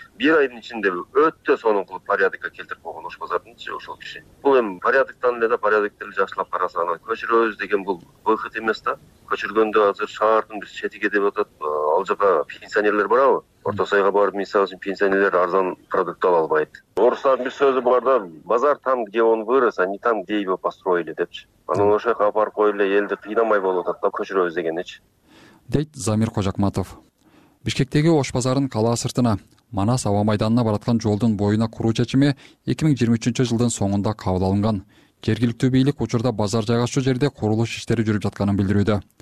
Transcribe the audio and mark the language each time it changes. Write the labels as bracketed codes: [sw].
[ky] Бир айдын ичинде өтө сонун кылып порядокко келтирип койгон Ош базардын ичи ошол киши. Бул эми порядоктан эле да, порядокту эле жакшылап караса анан көчүрөбүз деген бул выход эмес да. Көчүргөндө азыр шаардын бир четиге деп атат, ал жака пенсионерлер барабы? Орто Сайга барып мисалы үчүн пенсионерлер арзан продукт ала албайт. Орустардын бир сөзү бар да, [ru] базар там, где он вырос, а не там, где его построили [ky] депчи. Анан ошол жака барып коюп эле элди кыйнамай болуп атат да, көчүрөбүз дегенечи. Дейт Замир Кожакматов. Бишкектеги Ош базарын калаа сыртына, Манас аба майданына бараткан жолдун боюна куруу чечими 2023 жылдын соңунда кабыл алынган. Жергиликтүү бийлик учурда базар жайгашуу жерде курулуш иштери жүрүп жатканын билдирүүдө.